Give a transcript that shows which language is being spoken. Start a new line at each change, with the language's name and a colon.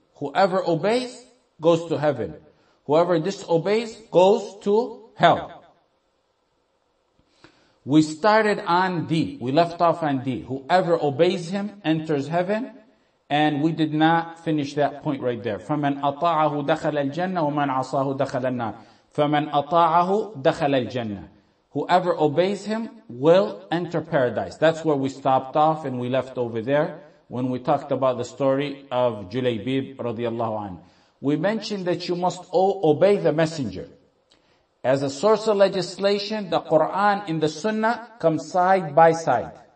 English: Whoever obeys goes to heaven. Whoever disobeys goes to hell. We started on D. We left off on D. Whoever obeys him enters heaven. And we did not finish that point right there.
Arabic: فَمَنْ أَطَاعَهُ دَخَلَ الْجَنَّةِ وَمَنْ عَصَاهُ دَخَلَ النَّارِ فَمَنْ أَطَاعَهُ دَخَلَ الْجَنَّةِ
English: Whoever obeys him will enter paradise. That's where we stopped off and we left over there when we talked about the story of Julaybib radiallahu anhu. We mentioned that you must obey the messenger. As a source of legislation, the Quran and the Sunnah come side by side.